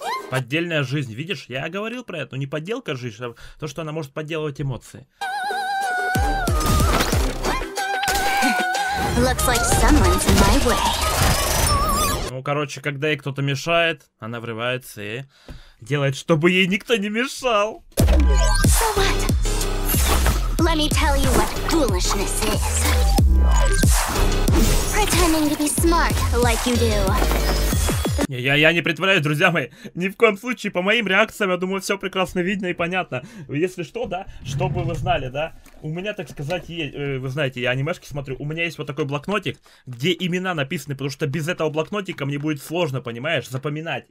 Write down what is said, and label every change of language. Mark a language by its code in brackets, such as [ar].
[ru] Поддельная жизнь, видишь? Я говорил про это, но не подделка жизни, а то, что она может подделывать эмоции. [en] Looks like someone's in my way. [ru] Ну, короче, когда ей кто-то мешает, она врывается и делает, чтобы ей никто не мешал. [en] So what? Let me tell you what foolishness is. Pretending to be smart like you do. [ru] Я не притворяюсь, друзья мои, ни в коем случае, по моим реакциям, я думаю, все прекрасно видно и понятно. Если что, да, чтобы вы знали, да, у меня, так сказать, есть, вы знаете, я анимешки смотрю, у меня есть вот такой блокнотик, где имена написаны, потому что без этого блокнотика мне будет сложно, понимаешь, запоминать.